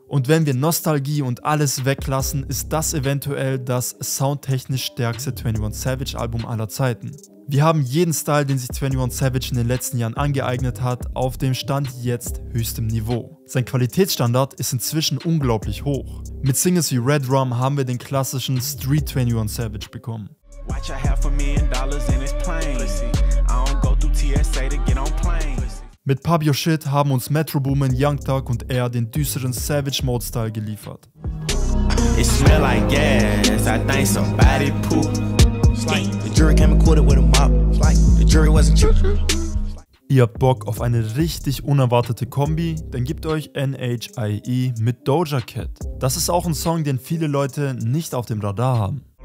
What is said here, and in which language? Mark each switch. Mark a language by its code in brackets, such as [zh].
[de] Und wenn wir Nostalgie und alles weglassen, ist das eventuell das soundtechnisch stärkste 21 Savage Album aller Zeiten. Wir haben jeden Style, den sich 21 Savage in den letzten Jahren angeeignet hat, auf dem Stand jetzt höchstem Niveau. Sein Qualitätsstandard ist inzwischen unglaublich hoch. Mit Singles wie Red Rum haben wir den klassischen Street 21 Savage bekommen. [en] Watch out here for $1 million and it's plain. I don't go through TSA to get on plane. [de] Mit Pop Your Shit haben uns Metro Boomin, Young Thug und er den düsteren Savage Mode Style geliefert. [en] It smell like gas, I think somebody pooped. [de] Ihr habt Bock auf eine richtig unerwartete Kombi? Dann gebt euch NHIE mit Doja Cat. Das ist auch ein Song, den viele Leute nicht auf dem Radar haben.